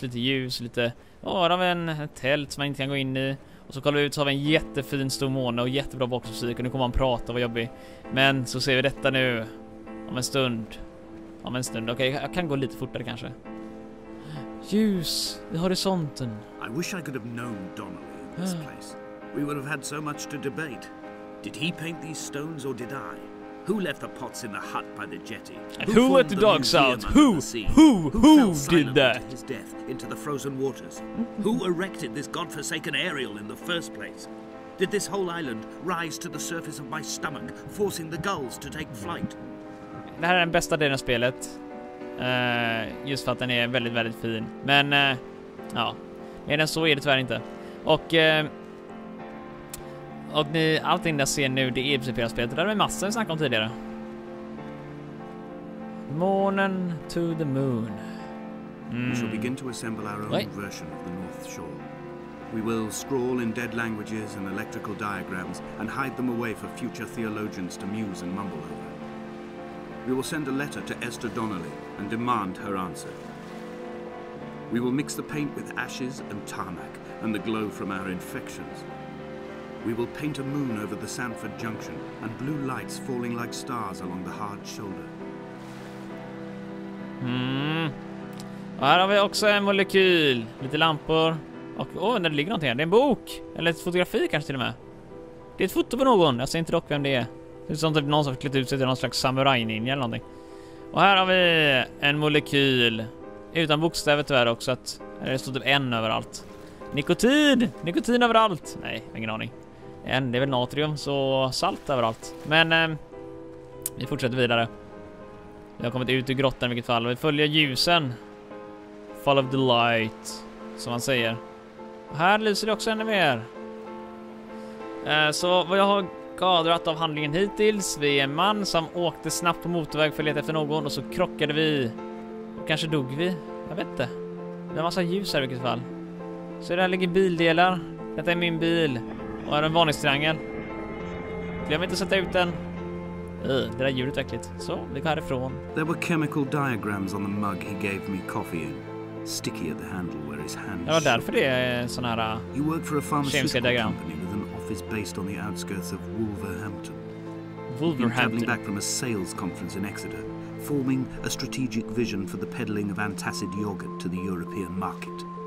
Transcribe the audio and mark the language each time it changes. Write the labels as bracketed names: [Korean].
[Swedish] Där har vi en tält som man inte kan gå in i. Och så kollar vi ut så har vi en jättefin stor måne och jättebra boxmusik. Och nu kommer man prata, vad jobbig. Men så ser vi detta nu. Om en stund. Okej, jag kan gå lite fortare kanske. Ljus i horisonten. [English] I wish I could have known Donnelly in this place. We would have had so much to debate. Did he paint these stones or did I? Who left the pots in the hut by the jetty? And who let the dogs out? Who did that? Who fell his death into the frozen waters? Who erected this godforsaken aerial in the first place? Did this whole island rise to the surface of my stomach, forcing the gulls to take flight? [Swedish] Det här är den bästa delen av spelet. Just för att den är väldigt, väldigt fin. Men, ja. Mer än så är det tyvärr inte. Och ni, allting ni ser nu, det är precis på spelet. Det där med massor vi snackade om tidigare. [English] Morning to the moon. Mm. We shall begin to assemble our own version of the North Shore. We will scrawl in dead languages and electrical diagrams and hide them away for future theologians to muse and mumble over. We will send a letter to Esther Donnelly and demand her answer. We will mix the paint with ashes and tarmac and the glow from our infections. We will paint a moon over the Sanford Junction and blue lights falling like stars along the hard shoulder. Mm. [Swedish] Och här har vi också en molekyl. Lite lampor. Och där ligger någonting här. Det är en bok. Eller ett fotografi kanske till och med. Det är ett foto på någon. Jag ser inte dock vem det är. Det är som typ någon som har klätt ut sig till någon slags samurai-ninja eller någonting. Och här har vi en molekyl. Utan bokstäver tyvärr också. Att det står typ en överallt. Nikotin! Nikotin överallt! Nej, ingen aning. En, det är väl natrium, så salt överallt. Men vi fortsätter vidare. Vi har kommit ut ur grottan i vilket fall. Vi följer ljusen. [English] Fall of the light, [Swedish] som man säger. Och här lyser det också ännu mer. Så vad jag har gadrat av handlingen hittills. Vi är en man som åkte snabbt på motorväg för att leta efter någon. Och så krockade vi. Och kanske dog vi. Jag vet inte. Det är massa ljus här i vilket fall. Så där ligger bildelar. Detta är min bil. Och här är en varningstriangel. Glöm inte att sätta ut den. Det där djuret verkligt. Så, vi går härifrån. [English] There were chemical diagrams on the mug he gave me coffee in. Sticky at the handle where his hand. [Swedish] Ja, därför det är sån här. [English] You work for a pharmaceutical company with an office based on the outskirts of Wolverhampton. Wolverhampton. Traveling back from a sales conference in Exeter, forming a strategic vision for the peddling of antacid yogurt to the European market.